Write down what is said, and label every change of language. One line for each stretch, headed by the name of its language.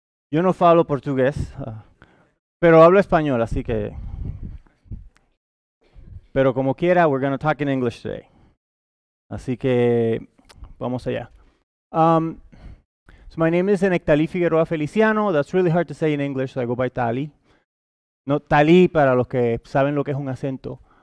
Spanish: Yo no falo portugués, pero hablo español, así que. Pero como quiera,
English: we're going to talk in English today.
Spanish: Así que vamos allá.
English: So my name is Enectali Figueroa Feliciano. That's really hard to say in English, so I go by Tali.
Spanish: No, Tali para los que saben lo que es un acento.